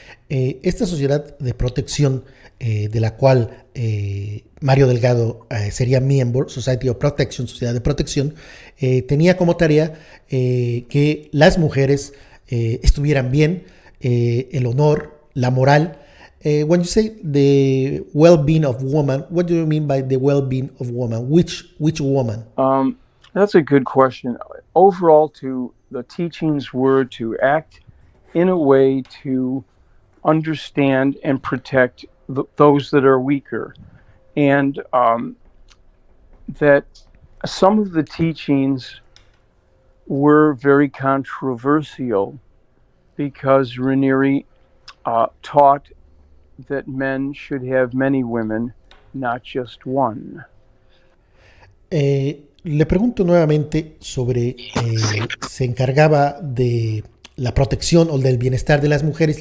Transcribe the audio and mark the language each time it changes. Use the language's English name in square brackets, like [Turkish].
[Spanish] Esta sociedad de protección de la cual Mario Delgado sería miembro, Society of Protection, Sociedad de Protección, tenía como tarea que las mujeres estuvieran bien, el honor, la moral. [English] When you say the well-being of woman, what do you mean by the well-being of woman? Which woman? That's a good question. Overall, to the teachings were to act in a way to understand and protect those that are weaker. And that some of the teachings were very controversial because Ranieri taught that men should have many women, not just one. [Spanish] Le pregunto nuevamente sobre, se encargaba de la protección o del bienestar de las mujeres.